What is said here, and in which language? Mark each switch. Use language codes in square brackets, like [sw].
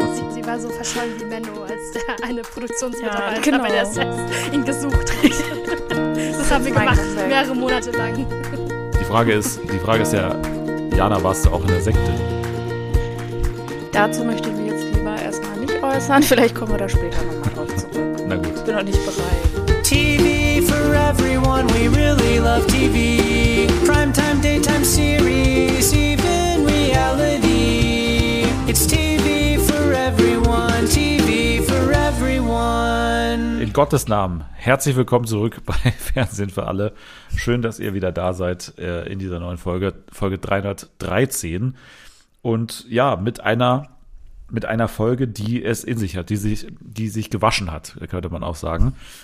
[de] Sie war so verschollen wie Menno, als der eine Produktionsmitarbeiter bei der SES ihn gesucht hat. Das haben wir gemacht, mehrere Monate lang. Die Frage ist ja, Jana, warst du auch in der Sekte? Dazu möchte ich mich jetzt lieber erstmal nicht äußern. Vielleicht kommen wir da später nochmal drauf zurück. Na gut. Ich bin noch nicht bereit. [en] TV for everyone, we really love TV. Primetime, daytime series, even reality. It's TV for everyone, TV for everyone. [de] In Gottes Namen, herzlich willkommen zurück bei Fernsehen für alle. Schön, dass ihr wieder da seid in dieser neuen Folge, Folge 313. Und ja, mit einer Folge, die es in sich hat, die sich gewaschen hat, könnte man auch sagen.